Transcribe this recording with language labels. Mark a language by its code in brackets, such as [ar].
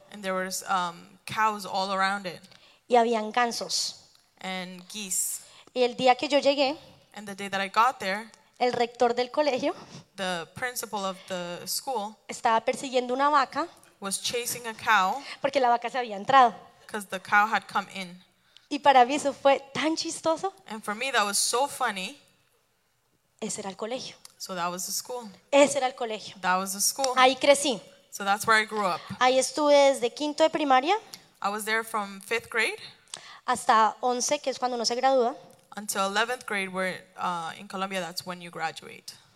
[en] And there was cows all around it. [es] Y habían gansos. [en] And geese. [es] Y el día que yo llegué, [en] and the day that I got there, [es] el rector del colegio, [en] the principal of the school, [es] estaba persiguiendo una vaca, [en] was chasing a cow, [es] porque la vaca se había entrado. [en] Because the cow had come in. [es] Y para mí eso fue tan chistoso. [en] And for me that was so funny. [es] Ese era el colegio. [en] So that was the school. [es] Ese era el colegio. [en] That was the school. [es] Ahí crecí. [en] So that's where I grew up. [es] Ahí estuve desde quinto de primaria. [en] I was there from fifth grade. [es] Hasta 11, que es cuando uno se gradúa. [en] Until 11th grade, where in Colombia that's when you graduate.